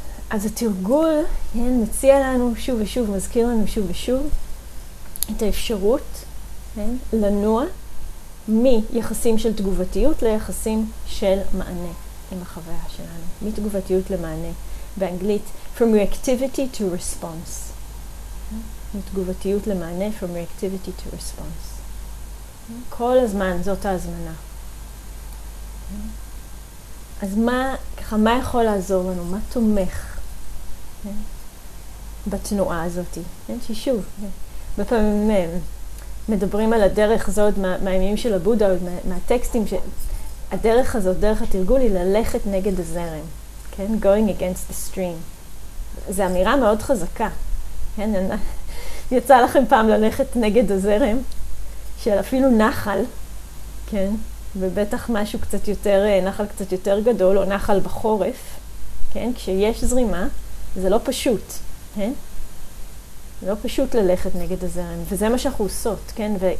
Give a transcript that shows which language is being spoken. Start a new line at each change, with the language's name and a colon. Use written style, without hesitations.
Hebrew: אז התרגול, כן, מציע לנו שוב ושוב, מזכיר לנו שוב ושוב, את האפשרות, כן, לנוע מיחסים של תגובתיות ליחסים של מענה עם החוויה שלנו. מתגובתיות למענה. באנגלית,
English: from reactivity to response.
Hebrew: מתגובתיות למענה,
English: from reactivity to response.
Hebrew: כל הזמן, זאת ההזמנה. אז מה, ככה, מה יכול לעזור לנו? מה תומך בתנועה הזאת? ששוב, בפעמים מדברים על הדרך הזאת, מהימים של הבודה, מהטקסטים, שהדרך הזאת, דרך התרגול, היא ללכת נגד הזרם.
English: Going against the stream.
Hebrew: זו אמירה מאוד חזקה. יצא לכם פעם ללכת נגד הזרם של אפילו נחל, כן? ובטח משהו קצת יותר, נחל קצת יותר גדול, או נחל בחורף, כן? כשיש זרימה, זה לא פשוט, כן? זה לא פשוט ללכת נגד הזרם, וזה מה שאנחנו עושות, כן?